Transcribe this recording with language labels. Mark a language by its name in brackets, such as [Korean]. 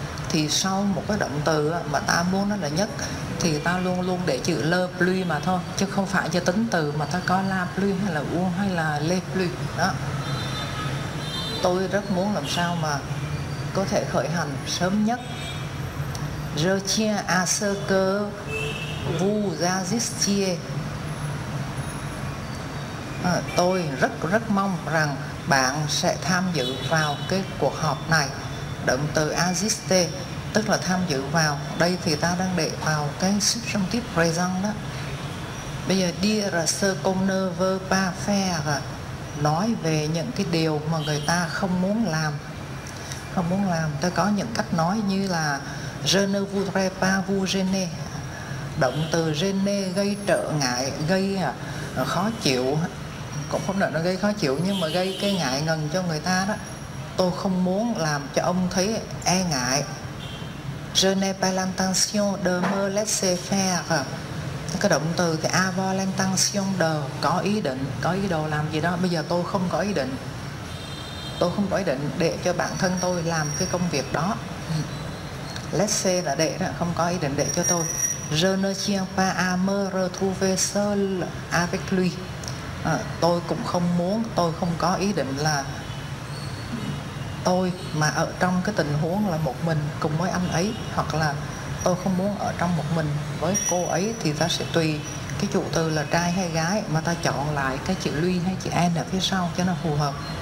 [Vietnamese] Thì sau một cái động từ mà ta muốn nó là nhất thì ta luôn luôn để chữ le plus mà thôi, chứ không phải cho tính từ mà ta có la plus hay là u hay là le plus đó. Tôi rất muốn làm sao mà có thể khởi hành sớm nhất. [French] Je tiens à ce que vous assistiez. [Vietnamese] Tôi rất rất mong rằng bạn sẽ tham dự vào cái cuộc họp này. Động từ assister tức là tham dự vào. Đây thì ta đang để vào cái substantive present đó. Bây giờ [French] dire ce qu'on ne veut pas faire, [Vietnamese] nói về những cái điều mà người ta không muốn làm. Không muốn làm, tôi có những cách nói như là [French] je ne voudrais pas vous gêner. [Vietnamese] Động từ gêner gây trở ngại, gây khó chịu, cũng không nói nó gây khó chịu nhưng mà gây cái ngại ngần cho người ta đó. Tôi không muốn làm cho ông thấy e ngại. [French] Je n'ai pas l'intention de me laisser faire. [Vietnamese] Cái động từ thì [French] avoir l'intention de, [Vietnamese] có ý định, có ý đồ làm gì đó. Bây giờ tôi không có ý định, tôi không có ý định để cho bản thân tôi làm cái công việc đó. Laisser là để đó, không có ý định để cho tôi. [French] Je ne tiens pas à me retrouver seul avec lui. [Vietnamese] Tôi cũng không muốn, tôi không có ý định là tôi mà ở trong cái tình huống là một mình cùng với anh ấy, hoặc là tôi không muốn ở trong một mình với cô ấy. Thì ta sẽ tùy cái chủ từ là trai hay gái mà ta chọn lại cái chữ lui hay chữ an ở phía sau cho nó phù hợp.